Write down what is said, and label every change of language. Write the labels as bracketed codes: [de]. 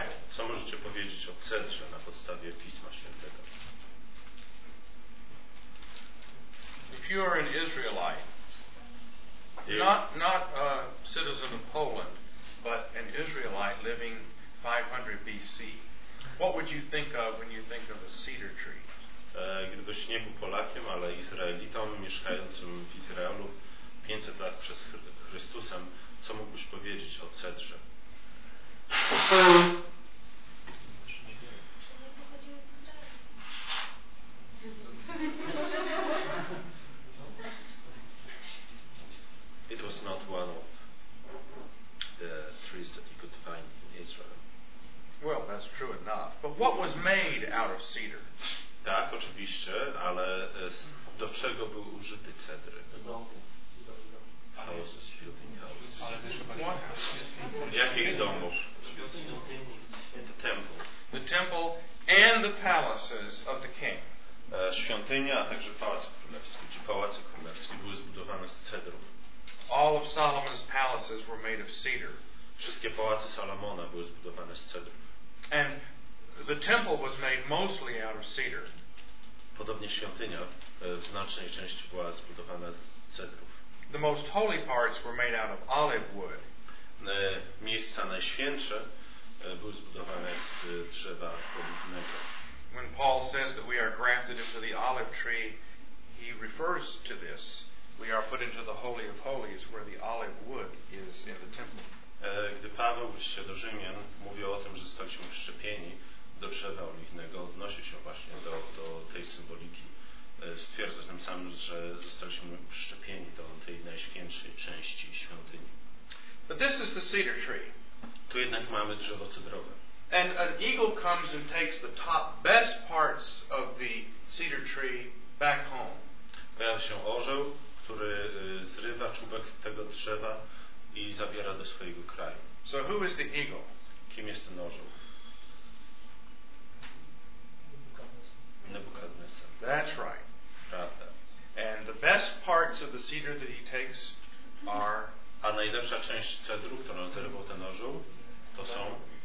[pl] Co możecie powiedzieć o cedrze na podstawie Pisma Świętego? [en] If you are an Israelite, not a citizen of Poland, but an Israelite living 500 BC, what would you think of when you think of a cedar tree? [pl] Gdybyś nie był Polakiem, ale Izraelitą mieszkającym w Izraelu 500 lat przed Chrystusem, co mógłbyś powiedzieć o cedrze? [en] It was not one of the trees that you could find in Israel. Well, that's true enough. But What was made out of cedar? [pl] Tak, oczywiście, ale do czego był użyty cedr? [en] Houses, filthy houses. [pl] Jakich domów? [en] The temple. The temple and the palaces of the king. [pl] Świątynia, a także pałac królewski, czy pałace królewskie były zbudowane z cedrów. [en] All of Solomon's palaces were made of cedar. [pl] Wszystkie pałace Salomona były zbudowane z cedrów. [en] And the temple was made mostly out of cedar. [pl] Podobnie świątynia w znacznej części była zbudowana z cedrów. [en] The most holy parts were made out of olive wood. [pl] Miejsca najświętsze były zbudowane z drzewa oliwnego. [en] When Paul says that we are grafted into the olive tree, he refers to this. We are put into the Holy of Holies, where the olive wood is in the temple. [pl] Gdy Paweł w liście do Rzymian mówił o tym, że zostaliśmy wszczepieni do drzewa oliwnego, odnosi się właśnie do tej symboliki. Stwierdza tym samym, że zostaliśmy wszczepieni do tej najświętszej części świątyni. [en] But this is the cedar tree. [pl] Tu jednak mamy drzewo cedrowe. [en] And an eagle comes and takes the top best parts of the cedar tree back home. [pl] Pojawia się orzeł, który zrywa czubek tego drzewa i zabiera do swojego kraju. [en] So who is the eagle? [pl] Kim jest ten orzeł? [en] Nebuchadnezzar. That's right. [pl] Prawda. [en] And the best parts of the cedar that he takes are... [pl] A najlepsza część cedru, którą zerwał ten orzeł, to są...